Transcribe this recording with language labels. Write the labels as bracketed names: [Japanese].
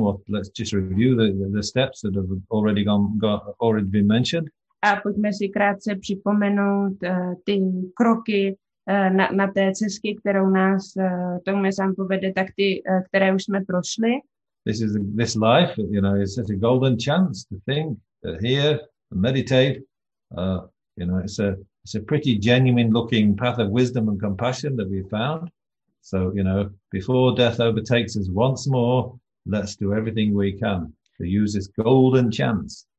[English] What, let's just review the steps that have already been mentioned. [Czech] A pojďme si krátce připomenout ty kroky na té cestě, kterou nás Tongme Sampo vede, tak ty, které už jsme prošli. [English] This life, you know, is such a golden chance to think, to hear, to meditate. You know, it's a It's a pretty genuine looking path of wisdom and compassion that we found. So, you know, before death overtakes us once more, let's do everything we can to use this golden chance.